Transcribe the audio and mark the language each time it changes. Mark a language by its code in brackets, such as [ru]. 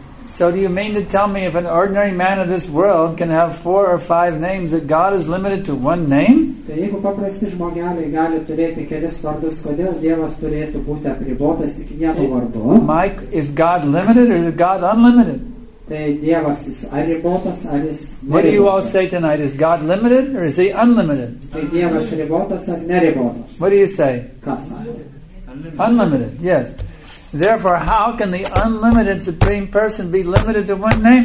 [en] So do you mean to tell me if an ordinary man of this world can have four or five names that God is limited to one name? [lt] Tai jeigu paprasti žmogeliai gali turėti kelis vardus, kodėl Dievas turėtų būti apribotas tik vienu vardu? [en] Mike, is God limited or is God unlimited? [lt] Tai Dievas jis ribotas ar jis neribotas? [en] What do you all say tonight? Is God limited or is he unlimited? [lt] Tai Dievas ribotas ar neribotas? [en] What do you say? [lt] Kas? [en] Unlimited, yes. Therefore, how can the unlimited supreme person be limited to one name?